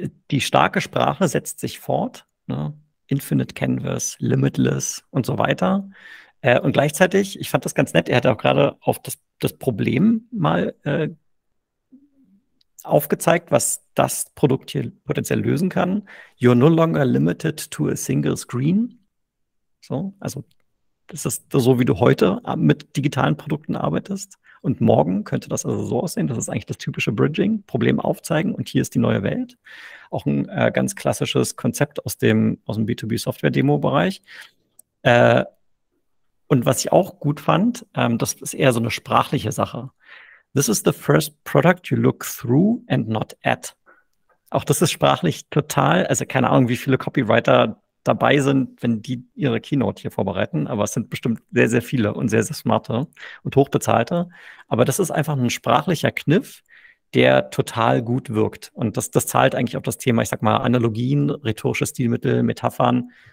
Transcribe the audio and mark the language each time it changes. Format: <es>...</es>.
<de>Die starke Sprache setzt sich fort, ne? Infinite Canvas, Limitless und so weiter. Und gleichzeitig, ich fand das ganz nett, er hat auch gerade auf das Problem mal aufgezeigt, was das Produkt hier potenziell lösen kann.</de> <en>You're no longer limited to a single screen.</en> <de>So, also das ist so, wie du heute mit digitalen Produkten arbeitest. Und morgen könnte das also so aussehen. Das ist eigentlich das typische Bridging. Problem aufzeigen und hier ist die neue Welt. Auch ein ganz klassisches Konzept aus dem B2B-Software-Demo-Bereich. Und was ich auch gut fand, das ist eher so eine sprachliche Sache.</de> <en>This is the first product you look through and not at.</en> <de>Auch das ist sprachlich total, also keine Ahnung, wie viele Copywriter dabei sind, wenn die ihre Keynote hier vorbereiten, aber es sind bestimmt sehr, sehr viele und sehr, sehr smarte und hochbezahlte. Aber das ist einfach ein sprachlicher Kniff, der total gut wirkt. Und das zahlt eigentlich auf das Thema, ich sag mal, Analogien, rhetorische Stilmittel, Metaphern.</de>